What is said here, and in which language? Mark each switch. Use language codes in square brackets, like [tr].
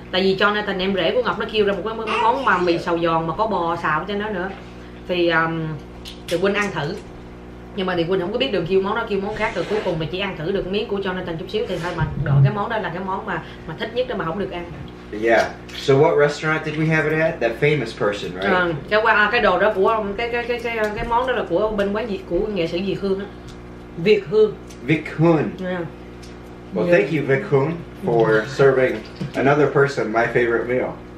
[vi] Tại vì Jonathan em rể của Ngọc nó kêu ra một cái món mà mì xào giòn mà có bò xào cho nó nữa. Thì Quynh ăn thử. Nhưng mà thì Quynh không có biết được kêu món đó kêu món khác, rồi cuối cùng mình chỉ ăn thử được miếng của Jonathan chút xíu thì thôi, mà đợi cái món đó là cái món mà thích nhất đó mà không được ăn. [en] Yeah. So what restaurant did we have it at? That famous person, right? [vi] Cái đồ đó của cái món đó là của bên quán gì của nghệ sĩ Việt Hương á. Việt Hương. [en] Vic Hoon. Yeah. Well, thank you Vic Hoon for serving another person my favorite meal.